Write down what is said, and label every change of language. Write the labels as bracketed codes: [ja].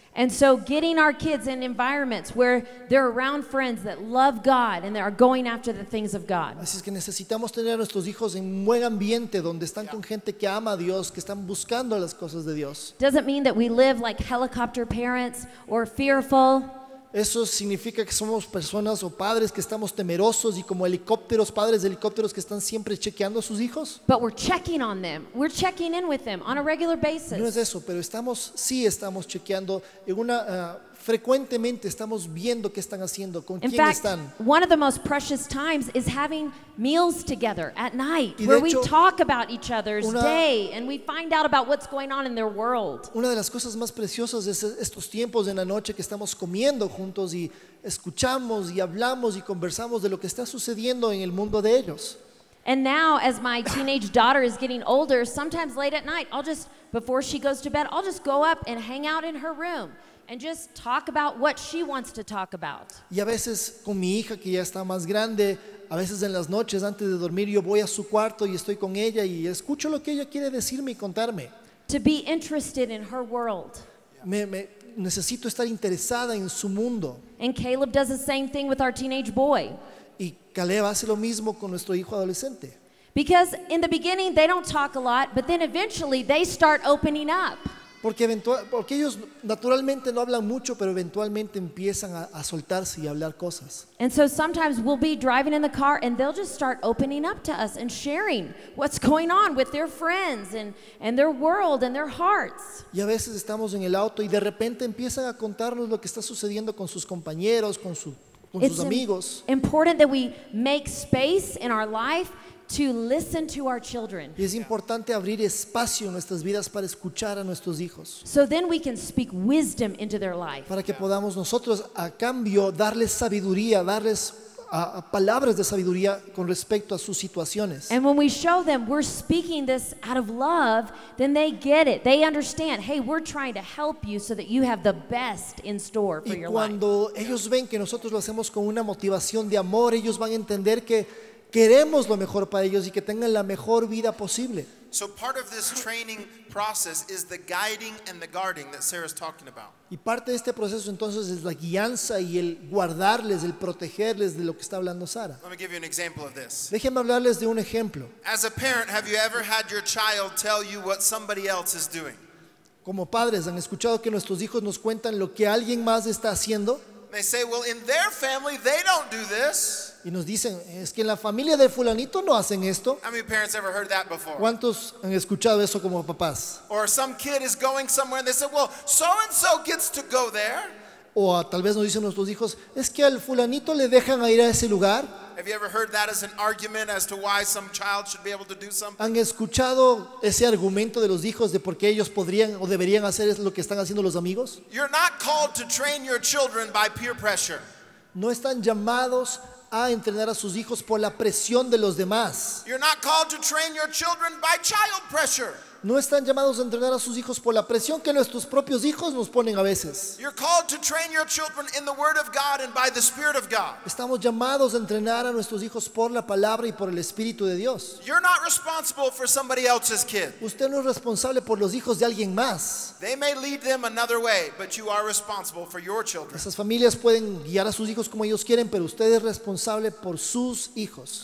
[en] And so getting our kids in environments where they're around friends that love God and that are going after the things of God. [es] Así es que necesitamos tener a nuestros hijos en un buen ambiente donde están con gente que ama a Dios, que están buscando las cosas de Dios. [en] Doesn't mean that we live like helicopter parents or fearful. [es] Eso significa que somos personas o padres que estamos temerosos y como helicópteros, padres de helicópteros que están siempre chequeando a sus hijos. [en] But we're checking on them. We're checking in with them on a regular basis. [es] No es eso, pero estamos, sí estamos chequeando en una frecuentemente estamos viendo qué están haciendo, con quién están. [en] One of the most precious times is having meals together at night, where we talk about each other's day and we find out about what's going on in their world. [es] Una de las cosas más preciosas es estos tiempos en la noche que estamos comiendo juntos y escuchamos y hablamos y conversamos de lo que está sucediendo en el mundo de ellos. [en] And now, as my teenage daughter is getting older, sometimes late at night, before she goes to bed, I'll just go up and hang out in her room and just talk about what she wants to talk about. [es] Y a veces con mi hija que ya está más grande, a veces en las noches antes de dormir yo voy a su cuarto y estoy con ella y escucho lo que ella quiere decirme y contarme. [en] To be interested in her world. [es] Me necesito estar interesada en su mundo. [en] And Caleb does the same thing with our teenage boy. [es] Y Caleb hace lo mismo con nuestro hijo adolescente. [en] Because in the beginning they don't talk a lot, but then eventually they start opening up. [es] Porque ellos naturalmente no hablan mucho, pero eventualmente empiezan a soltarse y a hablar cosas. [en] And so sometimes we'll be driving in the car and they'll just start opening up to us and sharing what's going on with their friends and their world and their hearts. [es] Y a veces estamos en el auto y de repente empiezan a contarnos lo que está sucediendo con sus compañeros, con sus amigos. [en] It's important that we make space in our life to listen to our children. [es] Es importante abrir espacio en nuestras vidas para escuchar a nuestros hijos. [en] So then we can speak wisdom into their life. [es] Para que podamos nosotros a cambio darles sabiduría, darles palabras de sabiduría con respecto a sus situaciones. [en] And when we show them we're speaking this out of love, then they get it. They understand, hey, we're trying to help you so that you have the best in store for your life. [es] Y cuando ellos ven que nosotros lo hacemos con una motivación de amor, ellos van a entender que queremos lo mejor para ellos y que tengan la mejor vida posible. [en] So part of this training process is the guiding and the guarding that Sarah's talking about. [es] Y parte de este proceso entonces es la guianza y el guardarles, el protegerles de lo que está hablando Sara. [en] Let me give you an example of this. [es] Déjenme hablarles de un ejemplo. [en] As a parent, have you ever had your child tell you what somebody else is doing? [es] Como padres, ¿han escuchado que nuestros hijos nos cuentan lo que alguien más está haciendo? [en] They say, well, in their family, they don't do this. [es] Y nos dicen, es que en la familia de fulanito no hacen esto. [en] How many parents ever heard that before? [es] ¿Cuántos han escuchado eso como papás? [en] Or some kid is going somewhere and they say, well, so and so gets to go there. [es] O tal vez nos dicen nuestros hijos, es que al fulanito le dejan ir a ese lugar. [en] Have you ever heard that as an argument as to why some child should be able to do something? [es] ¿Han escuchado ese argumento de los hijos de por qué ellos podrían o deberían hacer lo que están haciendo los amigos? [en] You're not called to train your children by peer pressure. [es] No están llamados a entrenar a sus hijos por la presión de los demás. [en] You're not called to train your children by child pressure. [es] No están llamados a entrenar a sus hijos por la presión que nuestros propios hijos nos ponen a veces. [en] You're called to train your children in the word of God and by the spirit of God. [es] Estamos llamados a entrenar a nuestros hijos por la palabra y por el espíritu de Dios. [en] You're not responsible for somebody else's kid. [es] Usted no es responsable por los hijos de alguien más. [en] They may lead them another way, but you are responsible for your children. [es] Esas familias pueden guiar a sus hijos como ellos quieren, pero usted es responsable por sus hijos.